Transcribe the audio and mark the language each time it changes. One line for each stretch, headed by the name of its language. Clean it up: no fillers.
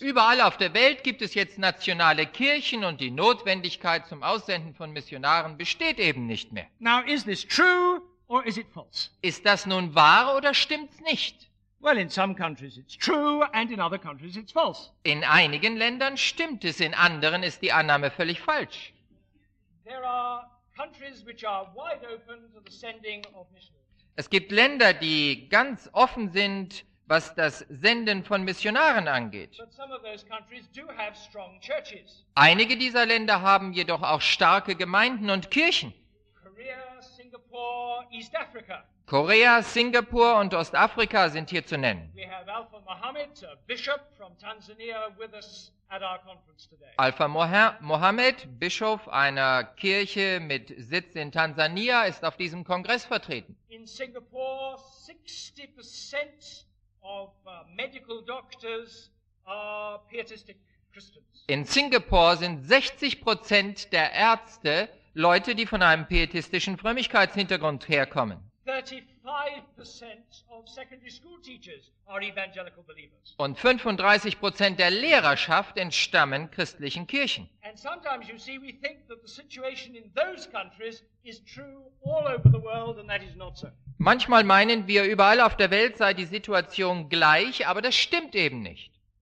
German: Überall auf der Welt gibt es jetzt nationale Kirchen und die Notwendigkeit zum Aussenden von Missionaren besteht eben nicht mehr.
English: Now is this true or is it false?
German: Ist das nun wahr oder stimmt's nicht?
English: Well, in some countries it's true and in other countries it's false.
German: In einigen Ländern stimmt es, in anderen ist die Annahme völlig falsch.
English: There are countries which are wide open to the sending of missionaries.
German: Es gibt Länder, die ganz offen sind, was das Senden von Missionaren angeht.
English: But some of those countries do have strong churches.
German: Einige dieser Länder haben jedoch auch starke Gemeinden und Kirchen.
English: Korea, Singapore, East Africa.
German: Korea, Singapur und Ostafrika sind hier zu nennen.
English: We have Alpha Mohammed, a bishop from Tanzania, with us at our conference today.
German: Alpha Mohammed, Bischof einer Kirche mit Sitz in Tansania, ist auf diesem Kongress vertreten.
English: In Singapore 60% of medical doctors are pietistic Christians.
German: In Singapore sind 60% der Ärzte Leute, die von einem pietistischen Frömmigkeitshintergrund herkommen.
English: 35% of secondary school teachers are evangelical believers.
German: Und 35% der Lehrerschaft entstammen christlichen Kirchen.
English: And sometimes you see we think that the situation in those countries is true all over the world and that is not so.
German: Manchmal meinen wir, überall auf der Welt sei die Situation gleich, aber das stimmt eben nicht.